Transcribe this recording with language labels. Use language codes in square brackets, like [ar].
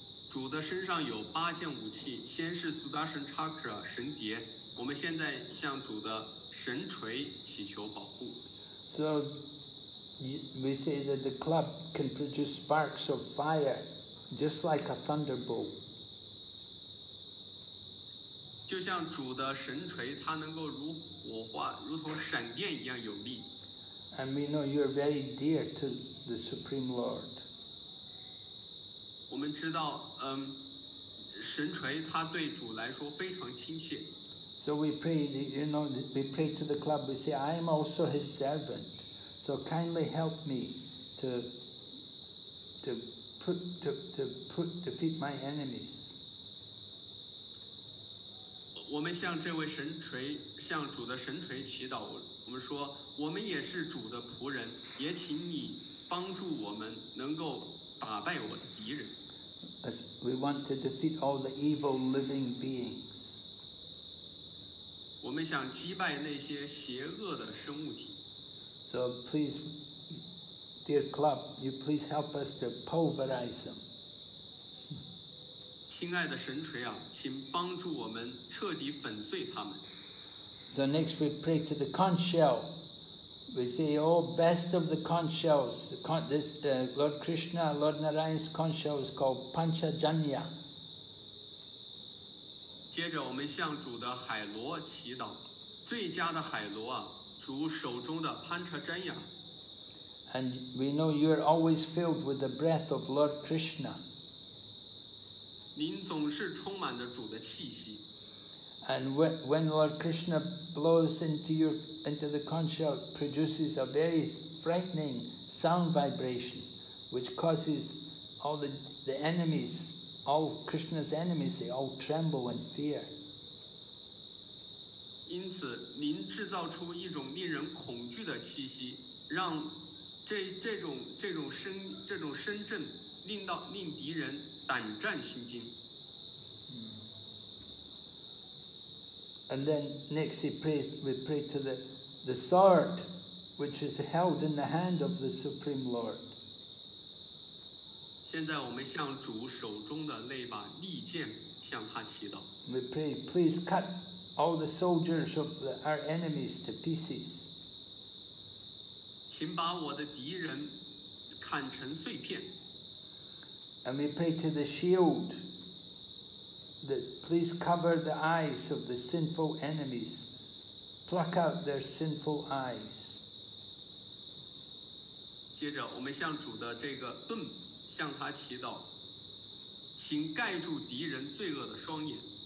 [zh] 主的身上有八件武器，先是 Sudarshan Chakra 神碟，我们现在向主的神锤祈求保护。 [en] So we say that the club can produce sparks of fire, just like a thunderbolt. [zh] 就像主的神锤，它能够如火化，如同闪电一样有力。 [en] And we know you are very dear to the Supreme Lord. [zh] 我们知道，神锤它对主来说非常亲切。 [en] So we pray, you know, we pray to the club. We say, I am also His servant. So kindly help me to defeat my enemies. [zh] 我们向这位神锤，向主的神锤祈祷。我们说，我们也是主的仆人，也请你帮助我们能够打败我的敌人。 [en] As we want to defeat all the evil living beings. [zh] 我们想击败那些邪恶的生物体。 [en] So please, dear club, you please help us to pulverize them. [zh] 亲爱的神锤啊，请帮助我们彻底粉碎他们。 [en] So next we pray to the conch shell, We see all best of the conch shells. Lord Krishna, Lord Narayana's conch shell is called Panchajanya. [zh] 接着我们向主的海螺祈祷，最佳的海螺啊，主手中的 Panchajanya。 [en] And we know you are always filled with the breath of Lord Krishna. [zh] 您总是充满着主的气息。 [en] And when Lord Krishna blows into the conch shell, produces a very frightening sound vibration, which causes all the enemies, all Krishna's enemies, they all tremble and fear. [zh] 因此，您制造出一种令人恐惧的气息，让这种声震令敌人胆战心惊。 [en] And then next we pray to the sword which is held in the hand of the Supreme Lord. [zh] 现在我们向主手中的那把利剑向他祈祷。 [en] We pray, please cut all the soldiers of our enemies to pieces. [zh] 请把我的敌人砍成碎片。 [en] And we pray to the shield. That please cover the eyes of the sinful enemies, pluck out their sinful eyes. [zh] 接着，我们向主的这个盾，向他祈祷，请盖住敌人罪恶的双眼。